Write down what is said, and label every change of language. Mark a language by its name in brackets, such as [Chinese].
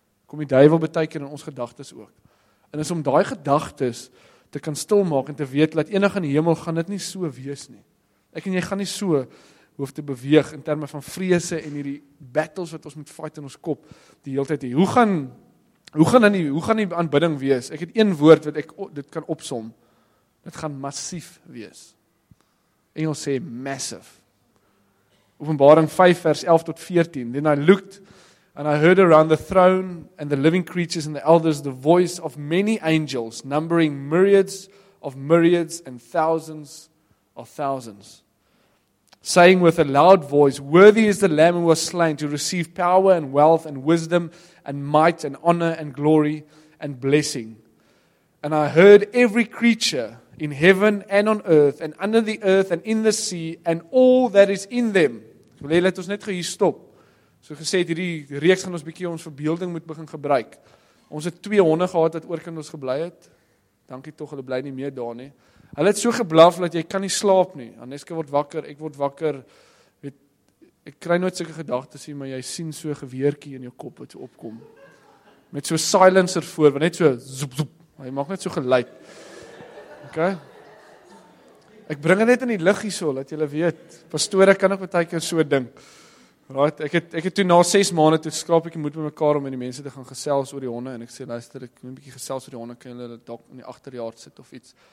[Afrikaans] Kom die duivel beteken in ons gedagtes ook. En is om daai gedagtes te kan stilmaak en te weet, dat enig in die hemel gaan dit nie so wees nie. Ek en jy gaan nie so hoef te beweeg in termen van vrese en hierdie battles wat ons moet fight in ons kop die hele tyd. Hoe gaan die aanbidding wees? Ek het een woord wat ek dit kan opsom. Dit gaan massief wees. Engels sê massive. Openbaring 5 vers 11 tot 14. [English] Then I looked and I heard around the throne and the living creatures and the elders the voice of many angels numbering myriads of myriads and thousands of thousands. Saying with a loud voice, worthy is the Lamb who was slain to receive power and wealth and wisdom and might and honor and glory and blessing. And I heard every creature in heaven and on earth and under the earth and in the sea and all that is in them. [Afrikaans] Wil jy let ons net hier stop. So gesê het, hierdie reeks gaan ons bietjie ons verbeelding moet begin gebruik. Ons het twee honde gehad wat oor kinders gebly het. Dankie tog, hulle bly nie meer daar nie. Hulle het so geblaf dat jy kan nie slaap nie. Aneske word wakker, ek word wakker. Weet, ek kry nooit sulke gedagtes nie, maar jy sien so geweertjie in jou kop wat so opkom. Met so silencer voor, wat net so zoep, zoep. Hy maak net so geluid. Okay. Ek bring dit net in die liggie so, dat julle weet, pastoor, ek kan ook baie keer so dink. Right, ek het toe na 6 maande, toe skraap ek die moed by mekaar om met die mense te gaan gesels oor die honde, en ek sê, luister, ek moet 'n bietjie gesels oor die honde, kan julle dit dalk in die agterjaar sit of iets.